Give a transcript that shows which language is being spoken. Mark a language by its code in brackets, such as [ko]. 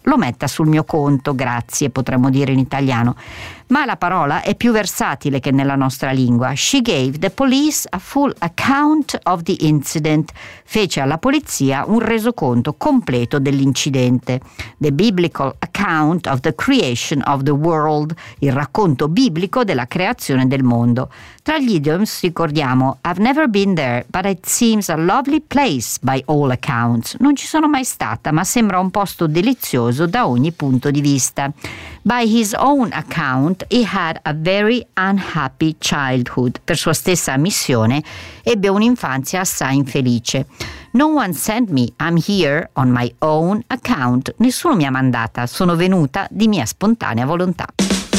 [it] Lo metta sul mio conto, grazie, potremmo dire in italiano. Ma la parola è più versatile che nella nostra lingua. [en] She gave the police a full account of the incident. [it] Fece alla polizia un resoconto completo dell'incidente. [en] The biblical account of the creation of the world. [it] Il racconto biblico della creazione del mondo. Tra gli idioms ricordiamo [en] I've never been there, but it seems a lovely place by all accounts. [it] Non ci sono mai stata, ma sembra un posto delizioso da ogni punto di vista. [en] By his own account, he had a very unhappy childhood. [it] Per sua stessa ammissione, ebbe un'infanzia assai infelice. [en] No one sent me, I'm here on my own account. [it] Nessuno mi ha mandata, sono venuta di mia spontanea volontà.